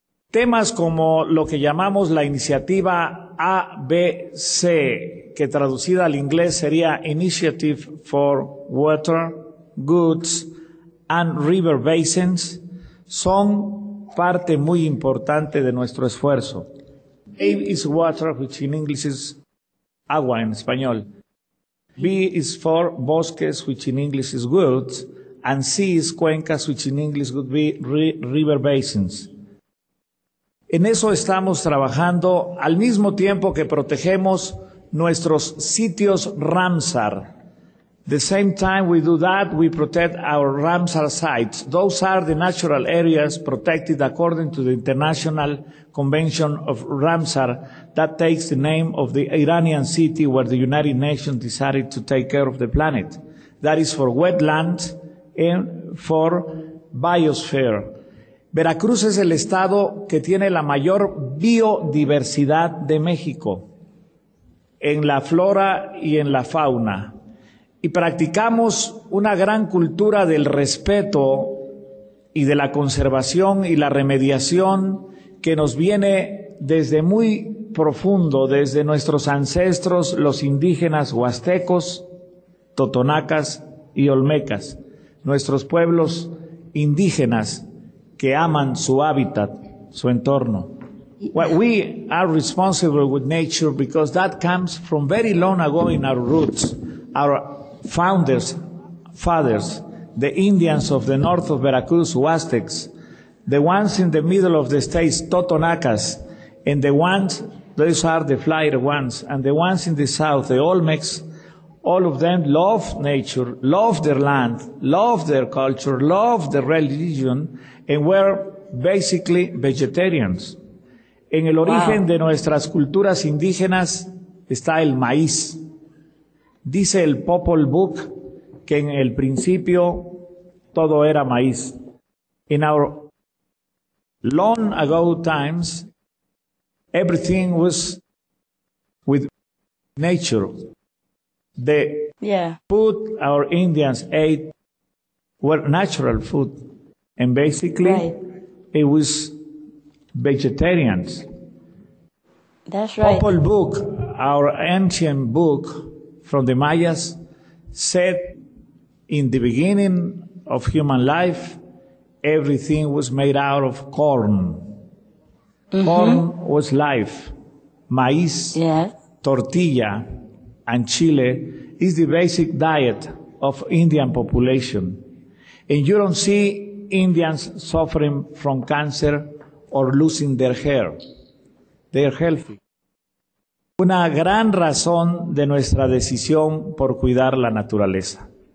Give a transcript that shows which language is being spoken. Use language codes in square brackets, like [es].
[es] Temas como lo que llamamos la iniciativa ABC, que traducida al inglés sería Initiative for Water, Goods and River Basins, son parte muy importante de nuestro esfuerzo. [en] A is water, which in English is agua [es] en español. [en] B is for bosques, which in English is woods. And C is cuencas, which in English would be river basins. [es] En eso estamos trabajando al mismo tiempo que protegemos nuestros sitios Ramsar. [en] The same time we do that, we protect our Ramsar sites. Those are the natural areas protected according to the International Convention of Ramsar that takes the name of the Iranian city where the United Nations decided to take care of the planet. That is for wetlands and for biosphere. [es] Veracruz es el estado que tiene la mayor biodiversidad de México en la flora y en la fauna. Y practicamos una gran cultura del respeto y de la conservación y la remediación que nos viene desde muy profundo, desde nuestros ancestros, los indígenas huastecos, totonacas y olmecas, nuestros pueblos indígenas que aman su hábitat, su entorno. [en] Well, we are responsible with nature because that comes from very long ago in our roots, our founders, fathers, the Indians of the north of Veracruz, Huastecs, the ones in the middle of the states, Totonacas, and the ones, those are the flyer ones, and the ones in the south, the Olmecs, all of them love nature, love their land, love their culture, love their religion, and were basically vegetarians. [es] En el origen de nuestras culturas indígenas está el maíz. Dice el Popol Vuh que en el principio todo era maíz. [en] In our long ago times, everything was with nature. The food our Indians ate were natural food. And basically, it was vegetarians. That's right. Popol Vuh, our ancient book from the Mayas, said in the beginning of human life, everything was made out of corn. Mm-hmm. Corn was life. Maíz, tortilla, and chile is the basic diet of Indian population. And you don't see Indians suffering from cancer or losing their hair. They are healthy. [es] una gran razón de nuestra decisión por cuidar la naturaleza.